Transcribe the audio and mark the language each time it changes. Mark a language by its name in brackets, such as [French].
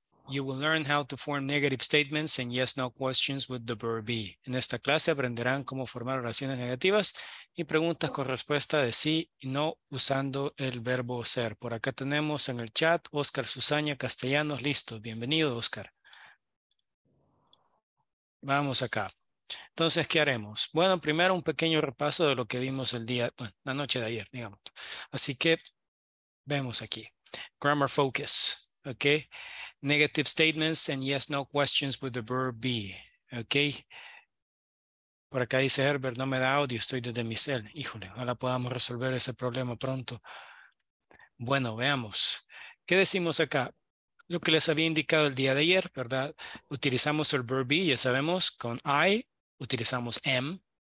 [English] You will learn how to form negative statements and yes/no questions with the verb be. [Spanish] En esta clase aprenderán cómo formar oraciones negativas y preguntas con respuesta de sí y no usando el verbo ser. Por acá tenemos en el chat Oscar Susana Castellanos, listo. Bienvenido, Oscar. Vamos acá. Entonces, ¿qué haremos? Bueno, primero un pequeño repaso de lo que vimos el día, bueno, la noche de ayer, digamos. Así que vemos aquí. [English] Grammar focus. Okay, negative statements and yes, no questions with the verb be. [Spanish] Okay, por acá dice Herbert, no me da audio, estoy desde mi cel. Híjole, ojalá podamos resolver ese problema pronto. Bueno, veamos. ¿Qué decimos acá? Lo que les había indicado el día de ayer, ¿verdad? Utilizamos el verb be, ya sabemos, con I, utilizamos am.